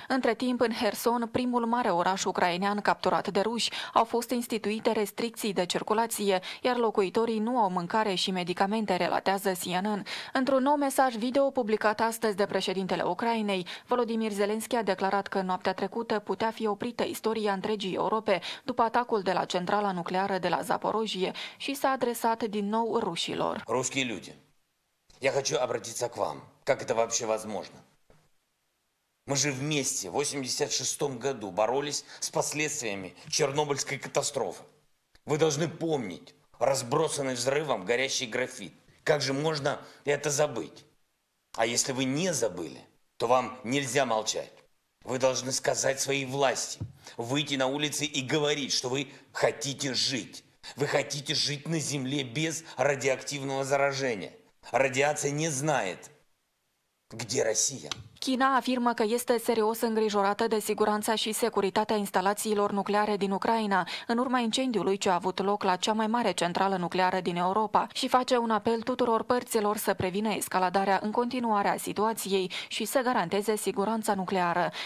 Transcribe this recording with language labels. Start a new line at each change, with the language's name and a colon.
Romanian: Între timp, în Herson, primul mare oraș ucrainean capturat de ruși, au fost instituite restricții de circulație, iar locuitorii nu au mâncare și medicamente, relatează CNN. Într-un nou mesaj video publicat astăzi de președintele Ucrainei, Volodymyr Zelensky a declarat că noaptea trecută putea fi oprită istoria întregii Europe după atacul de la centrala nucleară de la Zaporojie și s-a adresat din nou rușilor.
Russian: Ruski люди. Я хочу обратиться к вам. Как это вообще возможно? Мы же вместе в 86-м году боролись с последствиями Чернобыльской катастрофы. Вы должны помнить разбросанный взрывом горящий графит. Как же можно это забыть? А если вы не забыли, то вам нельзя молчать. Вы должны сказать своей власти, выйти на улицы и говорить, что вы хотите жить. Вы хотите жить на земле без радиоактивного заражения. Радиация не знает, где Россия.
Romanian: China afirmă că este serios îngrijorată de siguranța și securitatea instalațiilor nucleare din Ucraina, în urma incendiului ce a avut loc la cea mai mare centrală nucleară din Europa, și face un apel tuturor părților să prevină escaladarea în continuare a situației și să garanteze siguranța nucleară.